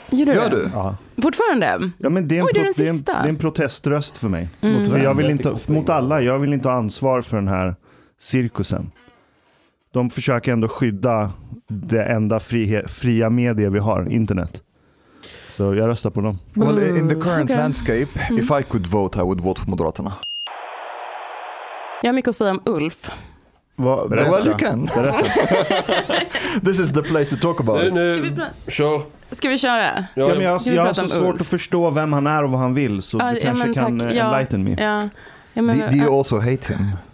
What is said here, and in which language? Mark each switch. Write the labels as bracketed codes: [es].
[sv] Gör du? Ja. Fortfarande? Ja, men det är en proteströst för mig. Mm. För jag vill inte, mot alla, jag vill inte ha ansvar för den här cirkusen. De försöker ändå skydda det enda fria medier vi har, internet. Så jag röstar på dem. [en] Well, in the current landscape, if I could vote, I would vote for Moderaterna. [sv] Jag har mycket att säga om Ulf. Berätta. [en] Well, you can. This is the place to talk about. [sv] Nu, kör. Ska vi köra? Ja, men jag har så svårt att förstå vem han är och vad han vill. Så du kanske kan [en] enlighten me. [sv] Ja. [en] Do you also hate him?